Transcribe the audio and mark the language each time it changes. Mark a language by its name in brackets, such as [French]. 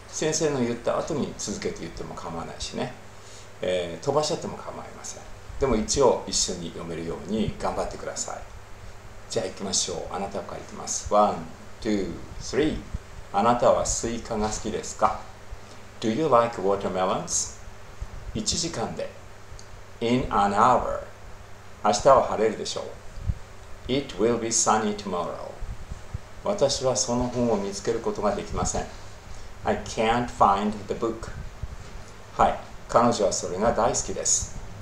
[Japanese] 先生の言った後に続けて言っても構わないしね、飛ばしちゃっても構いません。でも一応一緒に読めるように頑張ってください。じゃあ行きましょう。あなたは書いてます。1,2,3。あなたはスイカが好きですか？ [English] Do you like watermelons? [Japanese] 1時間で。 [English] In an hour。 [Japanese] 明日は晴れるでしょう。 [English] It will be sunny tomorrow。私はその本を見つけることができません。 I can't find the book. [Japanese] はい、彼女はそれが大好きです。